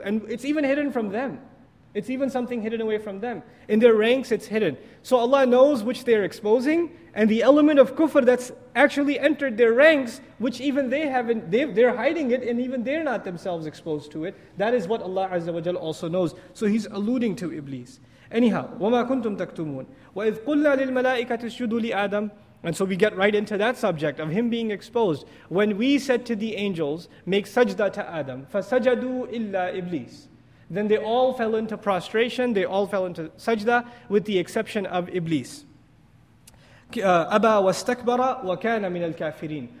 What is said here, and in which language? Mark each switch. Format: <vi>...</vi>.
<en>And it's even hidden from them. It's even something hidden away from them. In their ranks, it's hidden. So Allah knows which they are exposing, and the element of kufr that's actually entered their ranks, which even they haven't, they're hiding it, and even they're not themselves exposed to it. That is what Allah Azza wa Jal also knows. So He's alluding to Iblis.</en> <ar>Anyhow, وَمَا كُنْتُمْ تَكْتُمُونَ وَإِذْ قُلْنَا لِلْمَلَائِكَةِ اسْجُدُوا لِآدَمَ.</ar> <en>And so we get right into that subject of him being exposed. When we said to the angels, make sajda to Adam,</en> <ar>فَسَجَدُوا إِلَّا إِبْلِيسِ.</ar> <en>Then they all fell into prostration, they all fell into sajda, with the exception of Iblis.</en> <ar>أَبَا وَاسْتَكْبَرَ وَكَانَ مِنَ الْكَافِرِينَ.</ar>